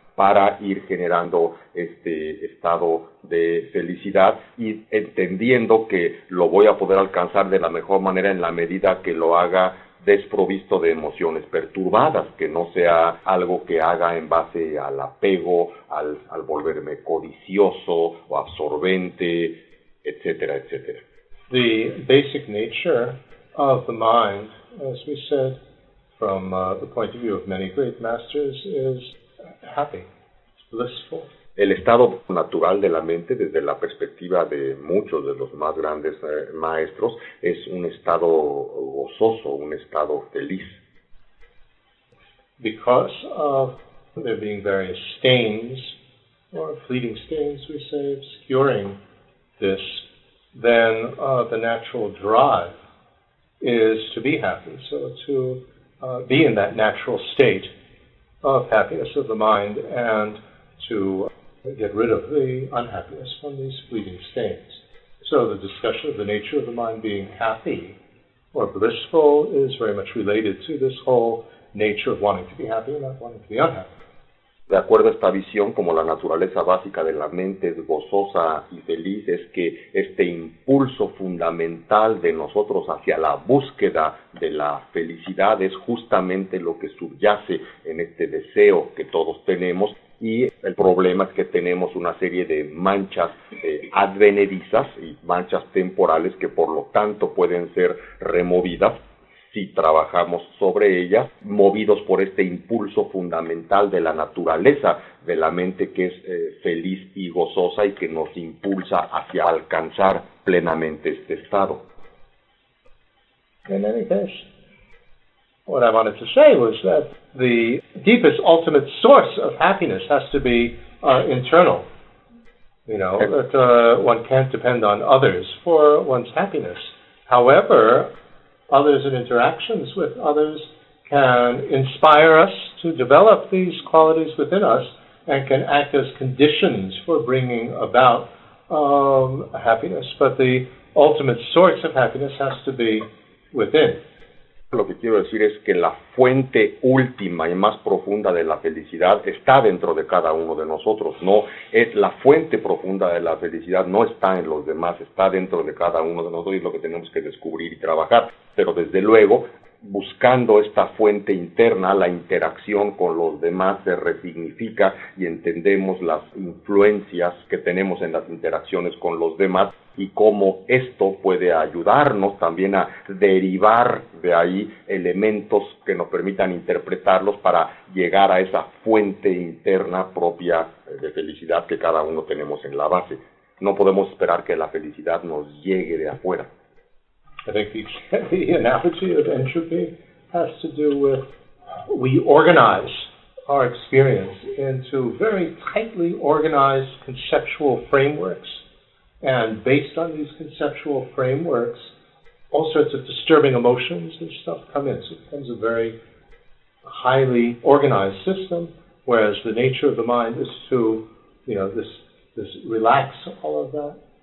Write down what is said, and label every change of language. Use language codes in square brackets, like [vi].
[es] para ir generando este estado de felicidad y entendiendo que lo voy a poder alcanzar de la mejor manera en la medida que lo haga desprovisto de emociones perturbadas, que no sea algo que haga en base al apego, al volverme codicioso o absorbente, etcétera, etcétera. [en] The basic nature of the mind, as we said, from the point of view of many great masters, is happy, it's blissful. [es] El estado natural de la mente, desde la perspectiva de muchos de los más grandes maestros, es un estado gozoso, un estado feliz. [en] Because of there being various stains, or fleeting stains, we say, obscuring this, then the natural drive is to be happy, so to be in that natural state of happiness of the mind and to get rid of the unhappiness from these fleeting stains. So the discussion of the nature of the mind being happy or blissful is very much related to this whole nature of wanting to be happy and not wanting to be unhappy. [es] De acuerdo a esta visión, como la naturaleza básica de la mente es gozosa y feliz, es que este impulso fundamental de nosotros hacia la búsqueda de la felicidad es justamente lo que subyace en este deseo que todos tenemos. Y el problema es que tenemos una serie de manchas advenedizas y manchas temporales que por lo tanto pueden ser removidas si trabajamos sobre ellas, movidos por este impulso fundamental de la naturaleza de la mente que es feliz y gozosa y que nos impulsa hacia alcanzar plenamente este estado. [en] En any case, what I wanted to say was that the deepest, ultimate source of happiness has to be internal. You know, that one can't depend on others for one's happiness. However, others and interactions with others can inspire us to develop these qualities within us and can act as conditions for bringing about happiness. But the ultimate source of happiness has to be within. [es] Lo que quiero decir es que la fuente última y más profunda de la felicidad está dentro de cada uno de nosotros. No es la fuente profunda de la felicidad, no está en los demás, está dentro de cada uno de nosotros y es lo que tenemos que descubrir y trabajar. Pero desde luego, buscando esta fuente interna, la interacción con los demás se resignifica y entendemos las influencias que tenemos en las interacciones con los demás y cómo esto puede ayudarnos también a derivar de ahí elementos que nos permitan interpretarlos para llegar a esa fuente interna propia de felicidad que cada uno tenemos en la base. No podemos esperar que la felicidad nos llegue de afuera. [en] I think the analogy of entropy has to do with we organize our experience into very tightly organized conceptual frameworks. And based on these conceptual frameworks, all sorts of disturbing emotions and stuff come in. So it becomes a very highly organized system, whereas the nature of the mind is to, you know, this relax all of that.